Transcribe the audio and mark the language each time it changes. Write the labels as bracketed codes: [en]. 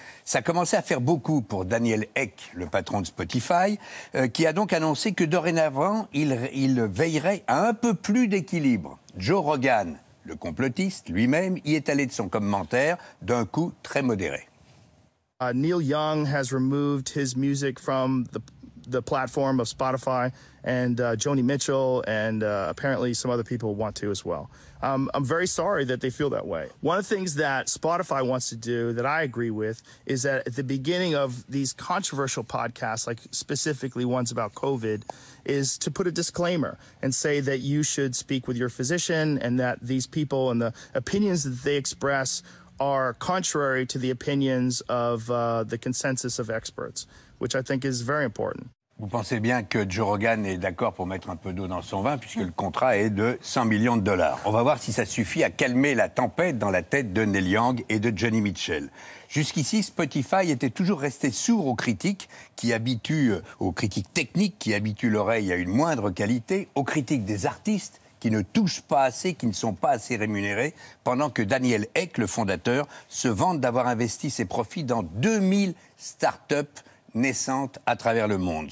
[fr] Ça commençait à faire beaucoup pour Daniel Ek, le patron de Spotify, qui a donc annoncé que dorénavant, il veillerait à un peu plus d'équilibre. Joe Rogan, le complotiste, lui-même, y est allé de son commentaire d'un coup très modéré. [en] Neil Young has removed his music from the platform of Spotify, and Joni Mitchell, and apparently some other people want to as well. I'm very sorry that they feel that way. One of the things that Spotify wants to do that I agree with is that at the beginning of these controversial podcasts, like specifically ones about COVID, is to put a disclaimer and say that you should speak with your physician and that these people and the opinions that they express are contrary to the opinions of the consensus of experts, which I think is very important. [fr] Vous pensez bien que Joe Rogan est d'accord pour mettre un peu d'eau dans son vin, puisque le contrat est de 100 millions de dollars. On va voir si ça suffit à calmer la tempête dans la tête de Neil Young et de Johnny Mitchell. Jusqu'ici, Spotify était toujours resté sourd aux critiques techniques qui habituent l'oreille à une moindre qualité, aux critiques des artistes qui ne touchent pas assez, qui ne sont pas assez rémunérés, pendant que Daniel Ek, le fondateur, se vante d'avoir investi ses profits dans 2000 startups naissante à travers le monde.